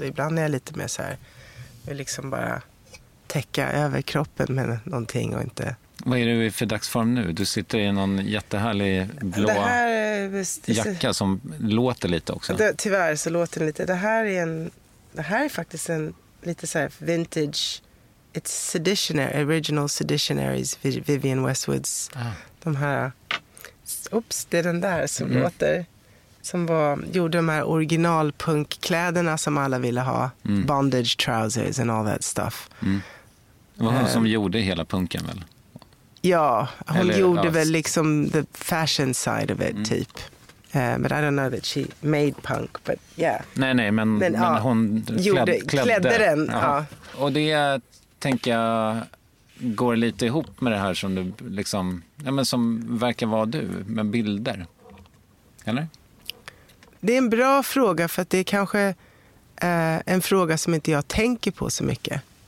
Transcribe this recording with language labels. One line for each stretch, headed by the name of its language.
Swedish: Och ibland är jag lite mer så här, jag vill liksom bara täcka över kroppen med någonting och inte. Vad är du för dagsform nu? Du sitter i någon jättehärlig blå jacka som låter lite också. Det, tyvärr så låter den lite. Det här är faktiskt en lite så här vintage.
English: It's seditionary, original seditionaries, Vivienne Westwoods. Ah.
Swedish: De här, oops, det är den där som låter. Som var, gjorde de här originalpunkkläderna som alla ville ha. Mm.
English: Bondage trousers and all that stuff.
Swedish: Mm. Det var hon som gjorde hela punken väl? Ja, hon gjorde väl liksom
English: the fashion side of it,
Swedish: typ.
English: But I don't know that she made punk, but yeah.
Swedish: Nej, men hon klädde den. Ja. Och det tänker jag går lite ihop med det här som du liksom, ja, men som verkar vara du med bilder. Eller? Det är en bra fråga, för att det är kanske en fråga som inte jag tänker på så mycket.